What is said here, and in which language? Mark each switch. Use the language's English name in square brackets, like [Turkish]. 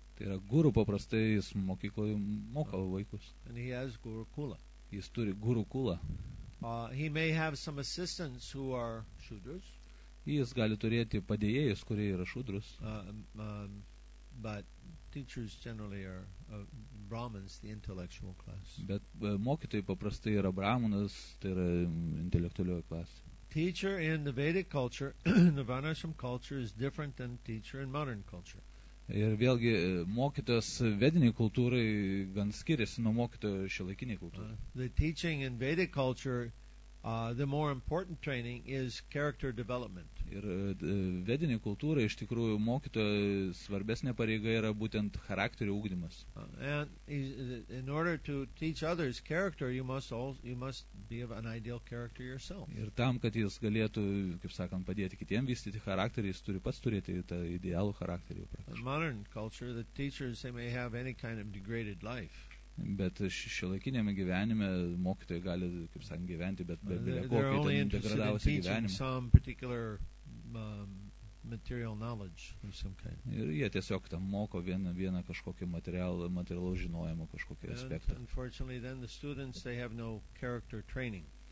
[Lithuanian] Tai yra guru paprastai, jis mokykloje moka vaikus. [English] And he has guru kula. [Lithuanian] Jis turi guru kula. [English] He may have some assistants who are shudras. [Lithuanian] Jis gali turėti padėjėjus, kurie yra šudrus. [English] But teachers generally are Brahmins, the intellectual class. [Lithuanian] Bet mokytojai paprastai yra brahmanas, tai yra intelektualioji klasė. [English] Teacher in the Vedic culture, the Varnashram culture is different than teacher in modern culture. [Lithuanian] Ir vėlgi mokytojas vediniai kultūrai gan skiriasi nuo mokytojo šiuolaikinėje kultūroje. [English] The teaching in Vedic culture, the more important training is character development. [Lithuanian] Ir vedinė kultūra, iš tikrųjų, mokytojo svarbesnė pareiga yra būtent charakterio ugdymas. [English] And in order to teach others character, you must be of an ideal character yourself. [Lithuanian] Ir tam, kad jis galėtų, kaip sakant, padėti kitiems vystyti charakterį, jis turi pats turėti tą idealų charakterį. [English] In modern culture, the teachers, they may have any kind of degraded life. [Lithuanian] Bet šiuolaikiniame gyvenime mokytojai gali, kaip sakant, gyventi, bet be kokio ten degradavusi gyvenime. Ir jie tiesiog tam moko vieną kažkokį materialų žinojimą, kažkokį aspektą. [English] Unfortunately, then the students, they have no character training.